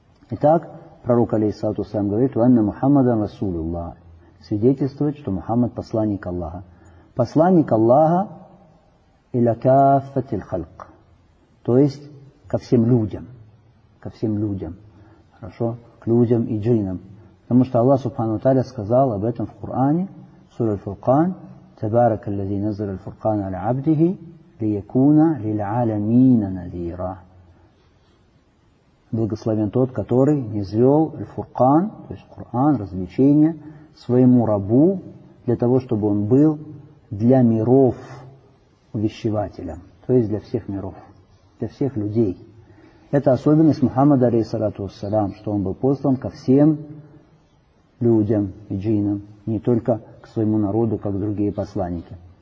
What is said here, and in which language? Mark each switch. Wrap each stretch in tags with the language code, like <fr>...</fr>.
<ru>Итак, пророк алейхиссалату вассалям говорит:</ru> <ar>«Ванна Мухаммада Расулуллах»,</ar> <ru>свидетельствует, что Мухаммад посланник Аллаха. Посланник Аллаха</ru> <ar>иля кафатиль халк,</ar> <ru>то есть ко всем людям. Ко всем людям. Хорошо? К людям и джиннам. Потому что Аллах субхану тааля сказал об этом в Коране,</ru> <ar>سورة الفرقان: تبارك الذي نزل الفرقان على عبده ليكون للعالمين نذيرا.</ar> <ru>Благословен тот, который низвел Аль-Фуркан, то есть Коран, развлечение, своему рабу, для того, чтобы он был для миров увещевателем, то есть для всех миров, для всех людей. Это особенность Мухаммада, алейхиссалату вассалям, что он был послан ко всем людям и джиннам, не только к своему народу, как другие посланники.</ru>